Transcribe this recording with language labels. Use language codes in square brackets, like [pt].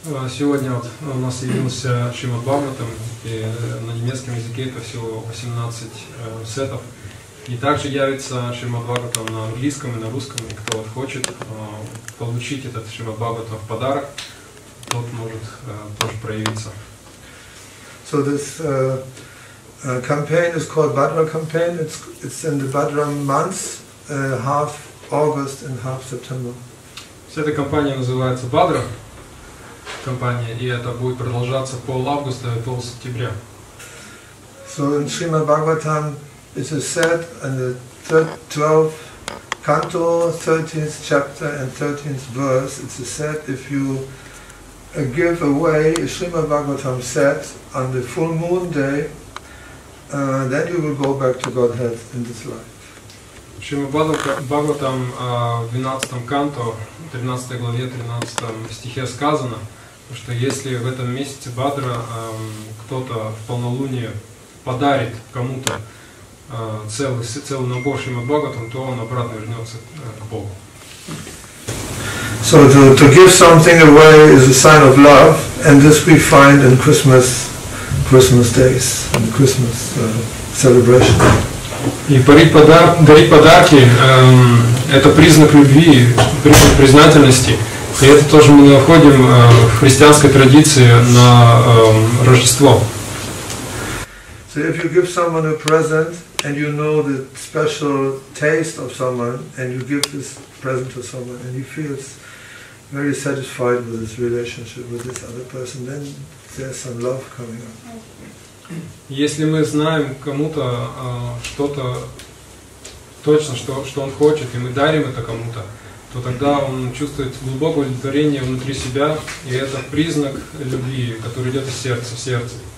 [ru] Сегодня у нас явился Шримад Бхагаватам, и на немецком языке это всего 18 сетов. И также явится Шримад Бхагаватам на английском и на русском. И кто вот хочет получить этот Шримад Бхагаватам в подарок, тот может тоже проявиться. [en] So this campaign is called Bhadra campaign. It's in the Bhadra month, half August and half September. [ru] Эта кампания называется Бхадра. Компания, и это будет продолжаться пол августа и пол сентября. [en] So in Srimad Bhagavatam it is said in the 12th canto, 13th chapter and 13th verse, it is said if you give away a Srimad Bhagavatam set on the full moon day, then you will go back to Godhead in this life. [ru] Шримад Бхагаватам в 12 канто, 13 главе, 13 стихе сказано, что если в этом месяце Бхадра кто-то в полнолуние подарит кому-то целый набор Шримад Бхагаватам, то он обратно вернется к Богу. [en] So to give something away is a sign of love, and this we find in Christmas days, in the Christmas celebration. [ru] И дарить подарки это признак любви, признак признательности. И это тоже мы находим в христианской традиции на Рождество. [en] So if you give someone a present and you know the special taste of someone and you give this present to someone and he feels very satisfied with his relationship with this other person, then there's some love coming up. [ru] Если мы знаем кому-то что-то точно, что он хочет, и мы дарим это кому-то, то тогда он чувствует глубокое удовлетворение внутри себя, и это признак любви, который идет из сердца в сердце.